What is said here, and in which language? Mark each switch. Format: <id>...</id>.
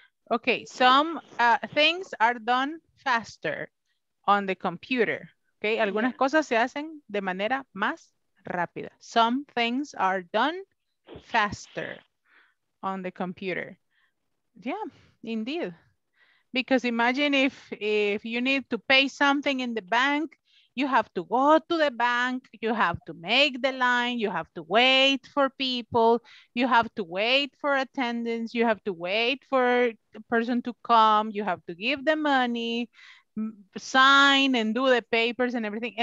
<en>Okay, some things are done faster on the computer.</en> <es>Okay, algunas cosas se hacen de manera más rápida.</es> <en>Some things are done faster on the computer. Yeah, indeed. Because imagine if you need to pay something in the bank, you have to go to the bank, you have to make the line, you have to wait for people, you have to wait for attendance, you have to wait for the person to come, you have to give the money, sign and do the papers and everything.</en>